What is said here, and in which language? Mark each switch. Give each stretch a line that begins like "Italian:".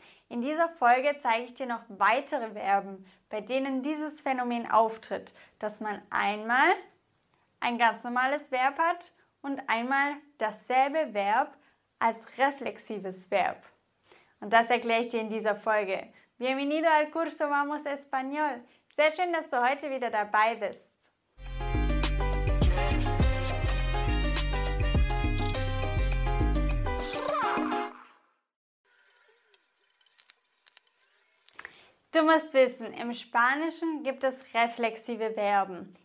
German: In dieser Folge zeige ich dir noch weitere Verben, bei denen dieses Phänomen auftritt, dass man einmal ein ganz normales Verb hat und einmal dasselbe Verb als reflexives Verb. Und das erkläre ich dir in dieser Folge.
Spanish: Bienvenido al curso Vamos Español.
German: Sehr schön, dass du heute wieder dabei bist. Du musst wissen, im Spanischen gibt es reflexive Verben.